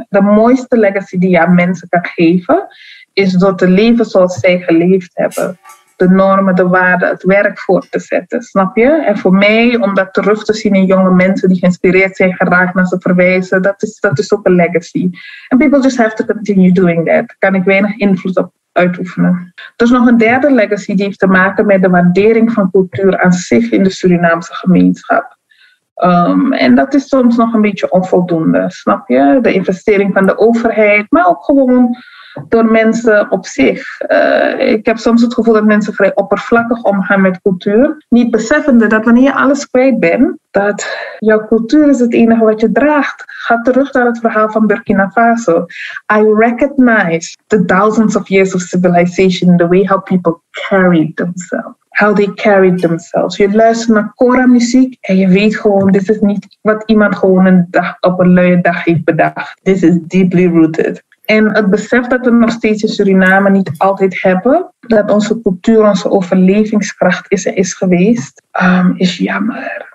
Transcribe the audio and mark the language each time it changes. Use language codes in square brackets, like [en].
[nl] De mooiste legacy die je aan mensen kan geven, is door te leven zoals zij geleefd hebben. De normen, de waarden, het werk voor te zetten, snap je? En voor mij, om dat terug te zien in jonge mensen die geïnspireerd zijn geraakt naar ze verwijzen, dat is ook een legacy. [en] And people just have to continue doing that. [nl] Kan ik weinig invloed op uitoefenen. Dus nog een derde legacy die heeft te maken met de waardering van cultuur aan zich in de Surinaamse gemeenschap. En dat is soms nog een beetje onvoldoende, snap je? De investering van de overheid, maar ook gewoon door mensen op zich. Ik heb soms het gevoel dat mensen vrij oppervlakkig omgaan met cultuur, niet beseffende dat wanneer je alles kwijt bent, dat jouw cultuur is het enige wat je draagt. Ga terug naar het verhaal van Burkina Faso. [en] I recognize the thousands of years of civilization, the way how people carried themselves. How they carried themselves. [nl] Je luistert naar Kora-muziek en je weet gewoon, dit is niet wat iemand gewoon een dag op een luie dag heeft bedacht. [en] This is deeply rooted. [nl] En het besef dat we nog steeds in Suriname niet altijd hebben, dat onze cultuur, onze overlevingskracht is en is geweest, is jammer.